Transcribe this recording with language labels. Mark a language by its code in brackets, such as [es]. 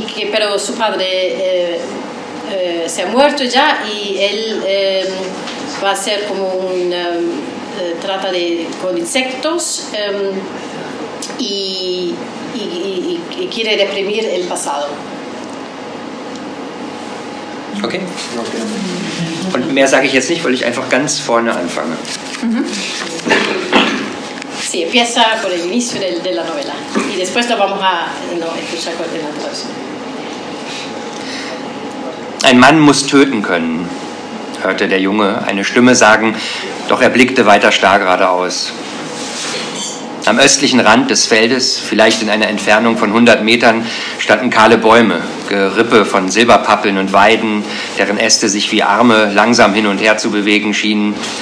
[es] pero su padre se ha muerto ya, y él va a ser como un trata de con insectos y quiere reprimir el pasado. Okay. [de] Und mehr sage ich jetzt nicht, weil ich einfach ganz vorne anfange. [es] Sí, empieza por el inicio de la novela. Y después lo vamos a escuchar con la traducción. [de] Ein Mann muss töten können, hörte der Junge eine Stimme sagen, doch er blickte weiter starr geradeaus. Am östlichen Rand des Feldes, vielleicht in einer Entfernung von 100 Metern, standen kahle Bäume, Gerippe von Silberpappeln und Weiden, deren Äste sich wie Arme langsam hin und her zu bewegen schienen.